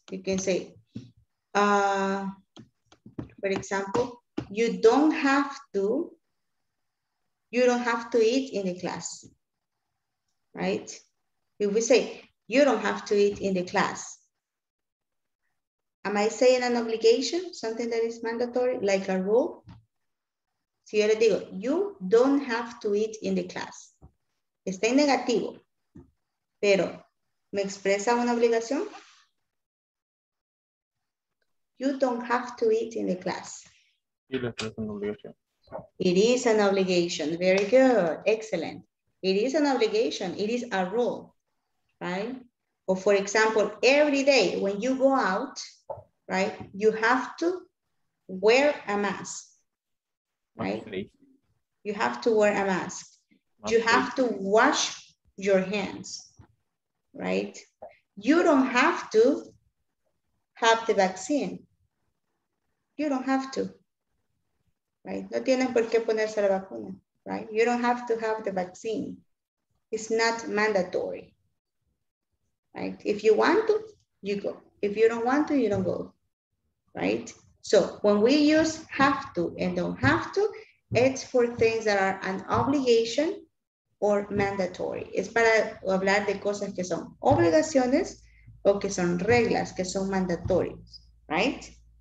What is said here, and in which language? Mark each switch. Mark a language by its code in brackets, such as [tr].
[en] You can say, for example, you don't have to eat in the class, right? If we say, you don't have to eat in the class, am I saying an obligation, something that is mandatory, like a rule? [es] Si yo le digo, [en] you don't have to eat in the class. [es] Está en negativo, pero ¿me expresa una obligación? [en] You don't have to eat in the class. It is an obligation. Very good. Excellent. It is an obligation. It is a rule, right? Or for example, every day when you go out, right, you have to wear a mask, right? You have to wear a mask. You have to wash your hands, right? You don't have to have the vaccine. You don't have to. Right? [es] No tienen por qué ponerse la vacuna, [en] right? You don't have to have the vaccine. It's not mandatory, right? If you want to, you go. If you don't want to, you don't go, right? So when we use have to and don't have to, it's for things that are an obligation or mandatory. [es] Es para hablar de cosas que son obligaciones o que son reglas, que son mandatorias, [en] right?